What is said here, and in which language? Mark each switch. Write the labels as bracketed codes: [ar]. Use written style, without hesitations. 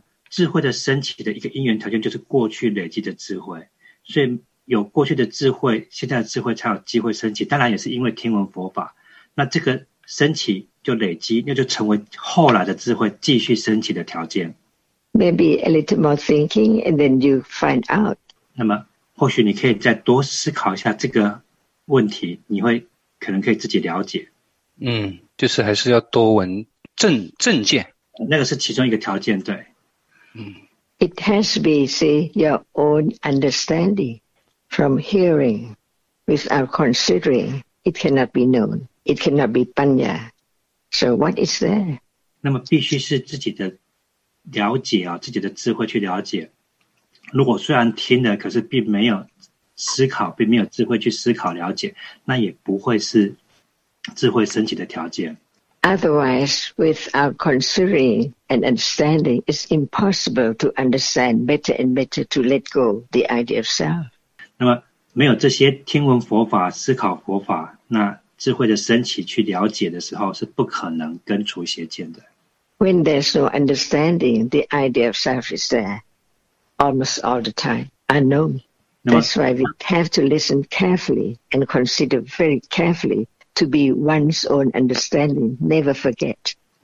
[zh] 智慧的升起的一个因缘条件就是过去累积的智慧，所以有过去的智慧，现在的智慧才有机会升起。当然也是因为听闻佛法，那这个升起就累积，那就成为后来的智慧继续升起的条件。 [en] Maybe a little more thinking, and then you find out. [zh] 那么或许你可以再多思考一下这个问题，你会可能可以自己了解。嗯，就是还是要多闻正见。那个是其中一个条件，对。嗯。 [en] It has to be, see, your own understanding from hearing without considering. It cannot be known. It cannot be panya. So what is there? [zh] 那么必须是自己的了解啊，自己的智慧去了解。如果虽然听了，可是并没有思考，并没有智慧去思考了解，那也不会是智慧升起的条件。 [en] Otherwise, without considering and understanding, it's impossible to understand better and better to let go the idea of self. [zh] 那么没有这些听闻佛法、思考佛法，那智慧的升起去了解的时候，是不可能根除邪见的。 [en] When there's no understanding, the idea of self is there almost all the time, unknown. That's why we have to listen carefully and consider very carefully to be one's own understanding. Never forget.